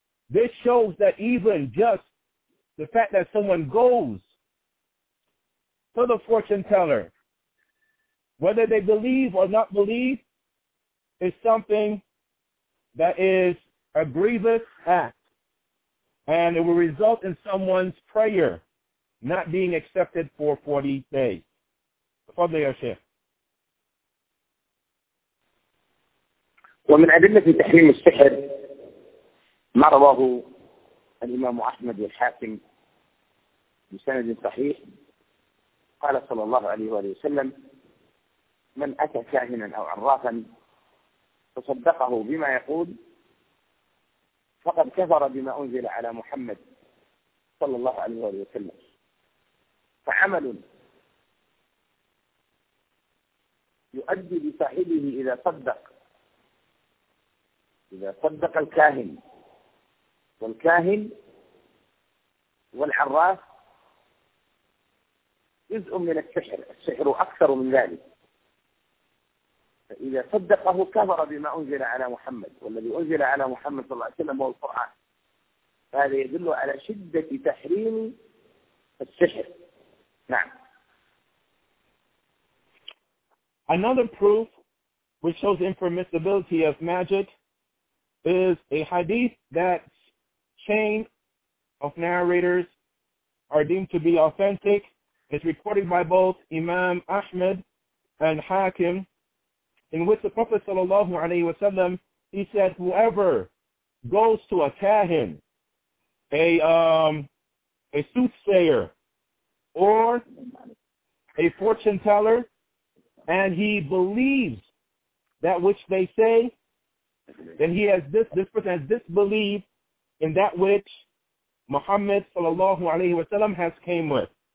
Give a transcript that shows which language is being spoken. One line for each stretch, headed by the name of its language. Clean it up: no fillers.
English: This shows that even just the fact that someone goes to the fortune teller, whether they believe or not believe, is something that is a grievous act, and it will result in someone's prayer not being accepted for 40 days.
Arabic: Tafadhal ya Sheikh. ومن أدلة تحريم السحر ما رواه الإمام أحمد الحاكم بسند صحيح قال صلى الله عليه وسلم من أتى كاهنا أو عرافا فصدقه بما يقول فقد كفر بما أنزل على محمد صلى الله عليه وسلم فعمل يؤدي لصاحبه إذا صدق الكاهن والكاهن والعراف جزء من السحر، السحر أكثر من ذلك. فإذا صدقه كفر بما أنزل على محمد، والذي أنزل على محمد صلى الله عليه وسلم هو القرآن. هذا يدل على شدة تحريم السحر. نعم.
English: Another proof which shows the impermissibility of magic is a hadith that's chain of narrators are deemed to be authentic. It's recorded by both Imam Ahmed and Hakim, in which the Prophet sallallahu alaihi wasallam, he said, whoever goes to a kahin, a soothsayer, or a fortune teller, and he believes that which they say, then he has this person has disbelieved in that which Muhammad sallallahu alaihi wasallam has came with.